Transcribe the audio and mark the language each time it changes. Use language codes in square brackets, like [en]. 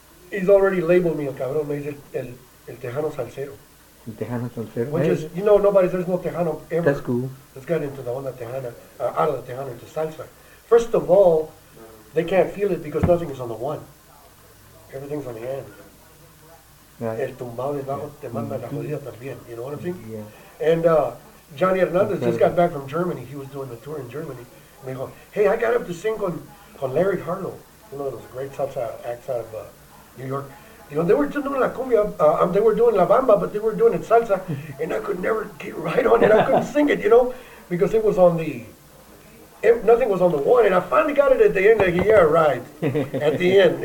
[en] He's already labeled me, [es] el cabrón. Me dice el Tejano Salsero. El Tejano Salsero. [en] Which is, you know, nobody, there's no Tejano ever. That's cool. That's got into the onda Tejana, out of the Tejano into salsa. First of all, they can't feel it because nothing is on the one. Everything's on the end. Right. [es] El tumbado de bajo, yeah, te manda, mm-hmm, la jodida también. [en] You know what I'm saying? Yeah. And Johnny Hernandez, okay, just got back from Germany. He was doing the tour in Germany. And he goes, hey, I got up to sing con Larry Harlow, one of those great salsa acts out of New York. You know, they were doing la cumbia, they were doing la bamba, but they were doing it salsa, and I could never get right on it. I couldn't sing it, you know, because it was on the, nothing was on the one, and I finally got it at the end, like, yeah, right, at the end.